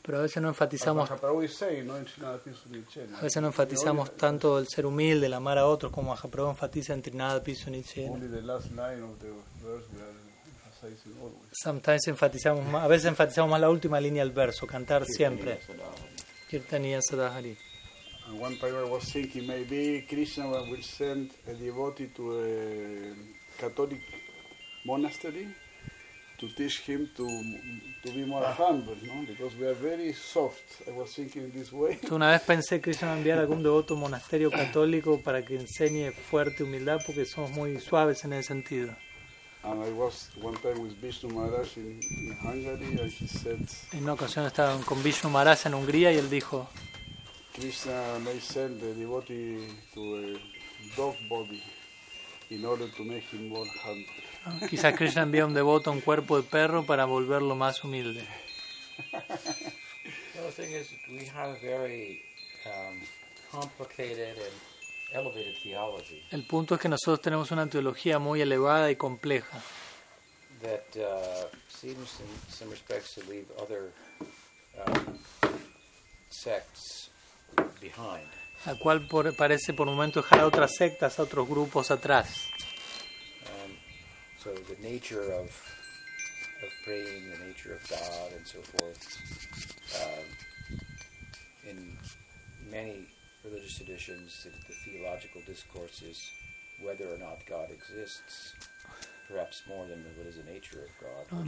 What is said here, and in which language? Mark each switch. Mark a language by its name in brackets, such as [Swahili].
[Spanish] Pero a veces no enfatizamos. A veces no enfatizamos tanto el ser humilde, el amar a otros, como a Mahaprabhu enfatiza entre nada, piso ni chena. [English] Only the last line of the verse we are emphasizing always. Sometimes [Spanish] enfatizamos más, a veces enfatizamos más la última línea del verso, cantar siempre. [Sanskrit] Kirtaniya Sadahari. [English] And one prayer was thinking maybe Krishna will send a devotee to a Catholic monastery. to teach him to be more humble, no? Because we are very soft. I was thinking this way. [Spanish] Una vez pensé que iba a enviar algún devoto a un monasterio católico para que enseñe fuerte humildad porque somos muy suaves en ese sentido. [English] And I was one time with Vishnu Maharaj in Hungary, and he said. [Spanish] En una ocasión estaba con Vishnu Maharaj en Hungría y él dijo. [English] Krishna may send the devotee to a dog body in order to make him more humble. [Spanish] Quizás Krishna envía a un devoto un cuerpo de perro para volverlo más humilde. [English] The thing is, we have a very complicated and elevated theology. [Spanish] El punto es que nosotros tenemos una teología muy elevada y compleja. [English] That seems in some respects to leave other sects behind. [Spanish] La cual parece por un momento dejar a otras sectas, a otros grupos atrás. [English] So the nature of praying, the nature of God, and so forth, in many religious traditions, the theological discourse is whether or not God exists, perhaps more than what is the nature of God,